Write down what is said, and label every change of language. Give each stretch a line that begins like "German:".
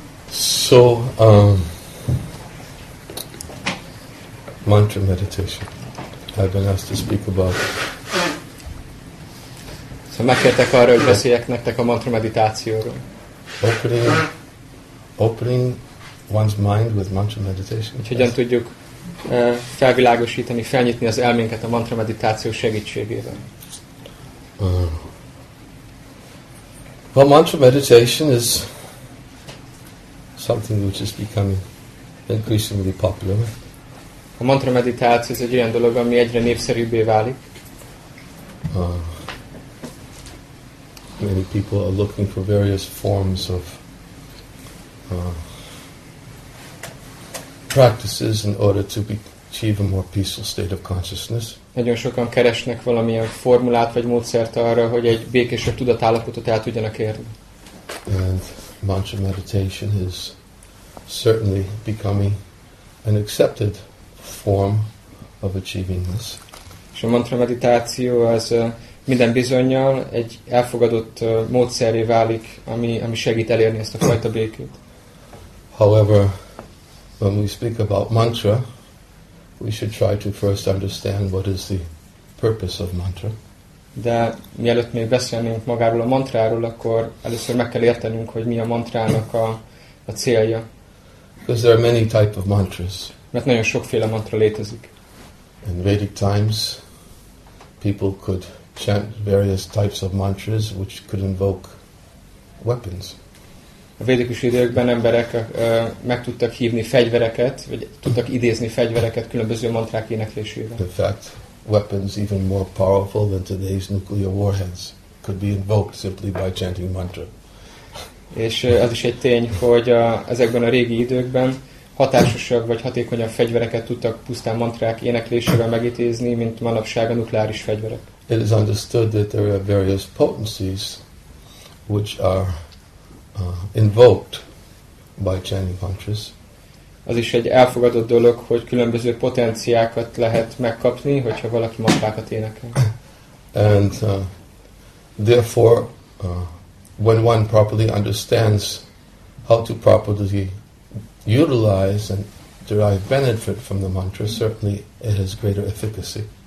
English: So, mantra meditation. I've been asked to speak about.
Hungarian: So, megkértek arra, hogy beszéljek nektek a mantra meditációról.
English: Opening one's mind with mantra meditation.
Hungarian: Úgy hogyan tudjuk felvilágosítani, felnyitni az elménket a mantra meditáció segítségével?
English: Well, mantra meditation is something which is becoming increasingly popular.
Hungarian: A mantra meditáció ez egy olyan dolog, ami egyre népszerűbbé válik.
English: Many people are looking for various forms of practices in order to achieve a more peaceful state of consciousness.
Hungarian: Nagyon sokan keresnek valamilyen formulát vagy módszert arra, hogy egy békésebb tudatállapotot el tudjanak érni.
English: And mantra meditation is certainly becoming an accepted form of achieving this.
Hungarian: És a mantra meditáció az minden bizonnyal egy elfogadott módszerré válik, ami segít elérni ezt a fajta békét.
English: However, when we speak about mantra, we should try to first understand what is the purpose of mantra.
Hungarian: De mielőtt még beszélnénk magáról a mantráról, akkor először meg kell értenünk, hogy mi a mantrának a célja.
English: Because there are many type of mantras.
Hungarian: Mert nagyon sokféle mantra létezik.
English: In Vedic times, people could chant various types of mantras which could invoke weapons.
Hungarian: A védikus időkben emberek meg tudtak hívni fegyvereket, vagy tudtak idézni fegyvereket különböző mantrák éneklésével.
English: In fact, weapons even more powerful than today's nuclear warheads could be invoked simply by chanting mantra.
Hungarian: És az is egy tény, hogy ezekben a régi időkben hatásosabb vagy hatékonyabb fegyvereket tudtak pusztán mantrák éneklésével megítézni, mint manapság a nukleáris fegyverek.
English: It is understood that there are various potencies which are invoked by chanting mantras.
Hungarian: Az is egy elfogadott dolog, hogy különböző potenciákat lehet megkapni, hogyha valaki mantrákat énekel.
English: And therefore, when one properly understands how to properly utilize and derive benefit from the mantra, certainly it has greater efficacy.